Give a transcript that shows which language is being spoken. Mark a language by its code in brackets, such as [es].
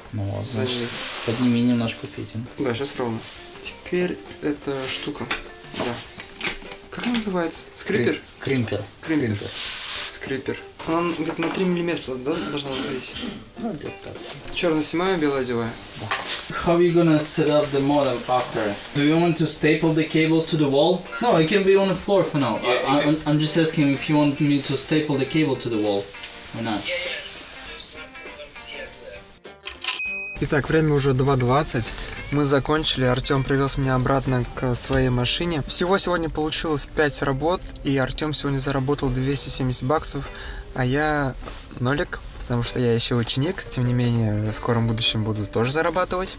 [ru] Ну ладно, значит, подними немножко петель. Да, сейчас ровно. Теперь эта штука. Да. Как она называется? Скрипер? Кримпер. Кримпер. Скрипер. Она где-то на 3 миллиметра, да, должна быть здесь? Ну, где-то так. Черную снимаю, белую одеваю? Да. [en] How are you gonna set up the modem after? Do you want to staple the cable to the wall? No, it can be on the floor for now. I'm just asking if you want me to staple the cable to the wall or not. [ru] Итак, время уже 2:20. Мы закончили, Артём привёз меня обратно к своей машине. Всего сегодня получилось 5 работ, и Артём сегодня заработал 270 баксов, а я нолик. Потому что я еще ученик, тем не менее, в скором будущем буду тоже зарабатывать.